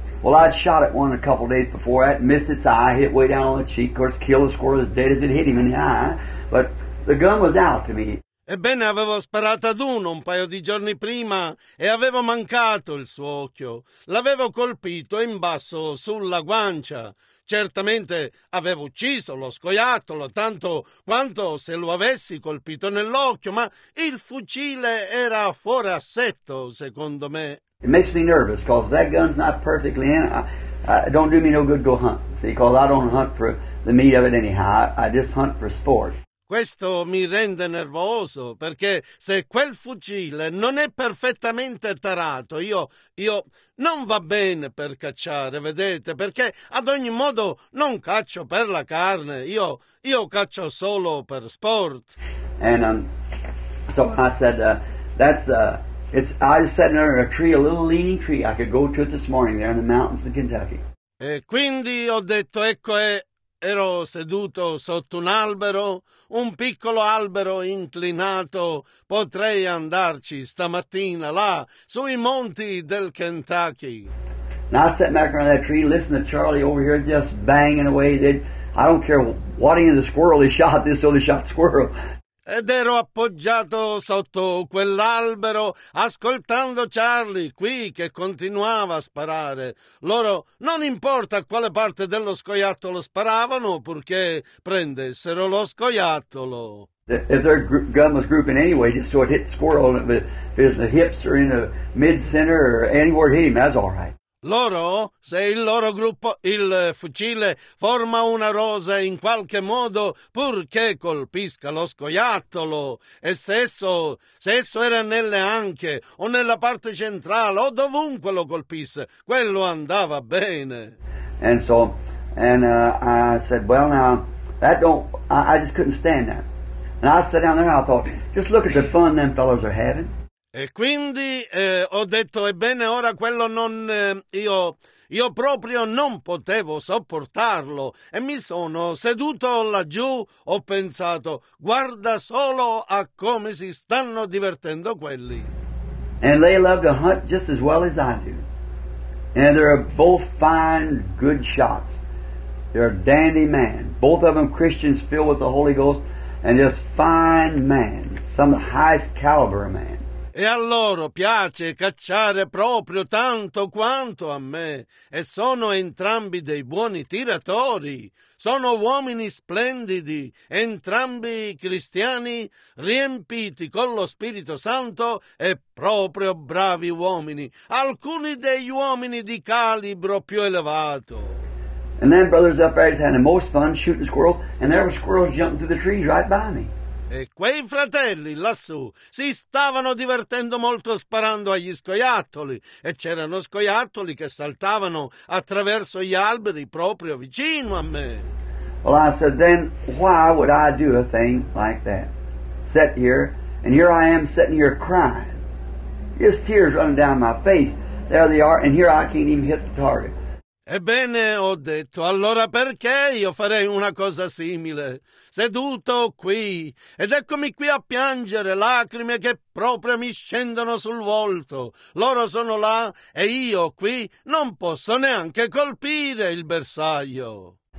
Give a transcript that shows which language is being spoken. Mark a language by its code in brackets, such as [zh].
[en] Well, I'd shot at one a couple of days before that, missed its eye, hit way down on the cheek, of course killed the squirrel as dead as it hit him in the eye, but the gun was out to me. [it] Ebbene, avevo sparato ad uno un paio di giorni prima e avevo mancato il suo occhio. L'avevo colpito in basso sulla guancia. Certamente avevo ucciso lo scoiattolo tanto quanto se lo avessi colpito nell'occhio, ma il fucile era fuori assetto, secondo me. [en] It makes me nervous because if that gun's not perfectly in, I don't do me no good to hunt. See, because I don't hunt for the meat of it anyhow. I just hunt for sport. [it] Questo mi rende nervoso perché se quel fucile non è perfettamente tarato, io non va bene per cacciare, vedete? Perché ad ogni modo non caccio per la carne, io caccio solo per sport. [en] And so I said I was sitting under a tree, a little leaning tree. I could go to it this morning there in the mountains of Kentucky. [it] E quindi ho detto ero seduto sotto un albero, un piccolo albero inclinato. Potrei andarci stamattina là, sui monti del Kentucky. [en] Now I sat back around that tree, listen to Charlie over here just banging away. I don't care what any of the squirrel he shot, this or the shot squirrel. [it] Ed ero appoggiato sotto quell'albero, ascoltando Charlie qui che continuava a sparare. Loro non importa a quale parte dello scoiattolo sparavano, purché prendessero lo scoiattolo. [en] If their gun was grouping anyway, just so it hit the squirrel, if it was in the hips or in the mid-center or anywhere it hit him, that's all right. [it] Loro, se il loro gruppo, il fucile, forma una rosa in qualche modo, purché colpisca lo scoiattolo, e se esso era nelle anche, o nella parte centrale, o dovunque lo colpisse, quello andava bene. [en] And so, I said, well now, I just couldn't stand that. And I sat down there and I thought, just look at the fun them fellows are having. [it] E quindi ho detto, ebbene ora quello non, io proprio non potevo sopportarlo e mi sono seduto laggiù, ho pensato, guarda solo a come si stanno divertendo quelli. [en] And they love to hunt just as well as I do. And they're both fine, good shots. They're a dandy man. Both of them Christians filled with the Holy Ghost and just fine man, some of the highest caliber man. [it] E a loro piace cacciare proprio tanto quanto a me. E sono entrambi dei buoni tiratori. Sono uomini splendidi, entrambi cristiani, riempiti con lo Spirito Santo e proprio bravi uomini. Alcuni degli uomini di calibro più elevato. [en] And then brothers up there had the most fun shooting squirrels, and there were squirrels jumping through the trees right by me. [it] E quei fratelli lassù si stavano divertendo molto sparando agli scoiattoli e c'erano scoiattoli che saltavano attraverso gli alberi proprio vicino a me. [en] Well, I said, then why would I do a thing like that? Sit here, and here I am sitting here crying. Just tears running down my face. There they are, and here I can't even hit the target. [it] Ebbene, ho detto, allora perché io farei una cosa simile? Seduto qui, ed eccomi qui a piangere, lacrime che proprio mi scendono sul volto. Loro sono là, e io qui non posso neanche colpire il bersaglio.